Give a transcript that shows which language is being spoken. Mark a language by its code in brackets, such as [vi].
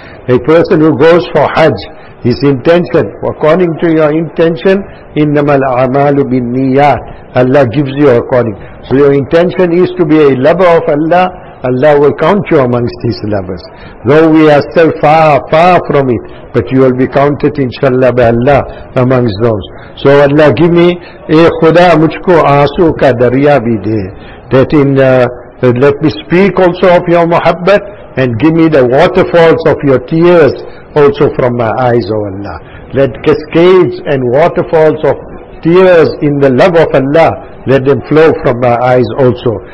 [en] A person who goes for Hajj, his intention, according to your intention, [ar] إِنَّمَا الْأَعْمَالُ بِالنِّيَّاتِ. [en] Allah gives you according. So your intention is to be a lover of Allah, Allah will count you amongst His lovers. Though we are still far, far from it, but you will be counted, inshallah, by Allah amongst those. So Allah, give me, [ur] اے خدا مجھ کو آنسو کا دریا بھی دے. [en] That in, let me speak also of your muhabbat, and give me the waterfalls of your tears also from my eyes, O Allah. Let cascades and waterfalls of tears in the love of Allah, let them flow from my eyes also.